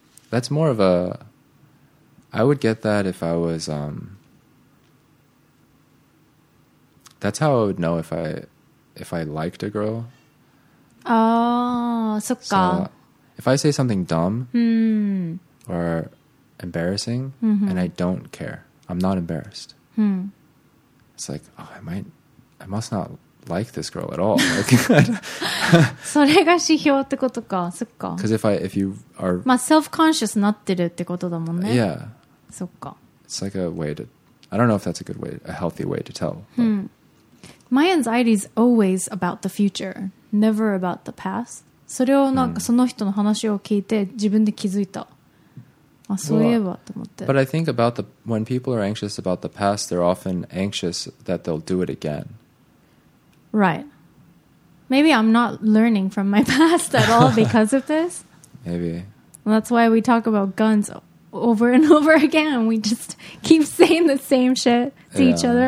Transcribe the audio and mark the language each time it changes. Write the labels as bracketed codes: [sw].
[en] That's more of a, I would get that if I was, that's how I would know if I liked a girl. Oh, so っか. If I say something dumb or embarrassing and I don't care, I'm not embarrassed. It's like, oh, I must not like this girl at all. [ja] それが指標ってことか。そっか。 [en] Because if you are... [ja] まあ、self-conscious なってるってことだもんね。 [en] Yeah. [ja] そっか。 [en] It's like a way to... I don't know if that's a good way, a healthy way to tell. My anxiety is always about the future, never about the past. [ja] それをなんかその人の話を聞いて自分で気づいた。あ、そういえばと思って。 [en] But I think about the... When people are anxious about the past, they're often anxious that they'll do it again. Right. Maybe I'm not learning from my past at all because of this. Maybe. Well, that's why we talk about guns over and over again. We just keep saying the same shit to each other.